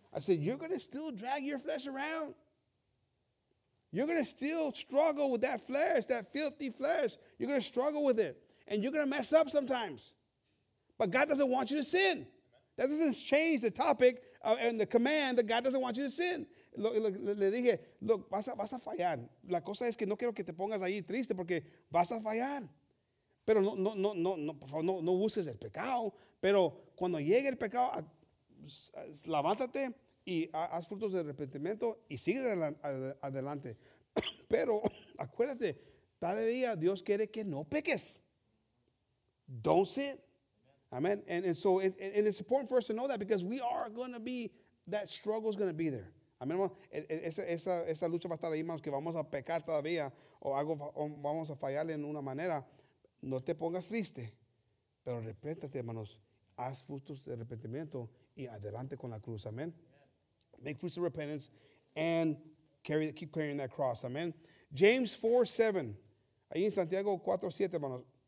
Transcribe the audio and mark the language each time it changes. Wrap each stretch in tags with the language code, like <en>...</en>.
<en>I said, you're going to still drag your flesh around. You're going to still struggle with that flesh, that filthy flesh. You're going to struggle with it, and you're going to mess up sometimes. But God doesn't want you to sin. That doesn't change the topic and the command that God doesn't want you to sin.</en> <es>Look, le dije, look, vas a fallar. La cosa es que no quiero que te pongas ahí triste porque vas a fallar. Pero no, por favor, no busques el pecado. Pero cuando llegue el pecado, levántate y haz frutos de arrepentimiento y sigue adelante. Pero acuérdate, todavía Dios quiere que no peques.</es> <en>Don't sin. Amen. And so it's important for us to know that because we are going to be, that struggle is going to be there.</en> <es>Amén, hermano, esa lucha va a estar ahí, hermanos, que vamos a pecar todavía o vamos a fallarle en una manera. No te pongas triste, pero arrepéntate, hermanos. Haz frutos de arrepentimiento y adelante con la cruz, amén.</es> <en>Yeah. Make fruits of repentance and keep carrying that cross, amén.</en> <es>James 4:7, ahí en Santiago 4:7, hermanos.</es>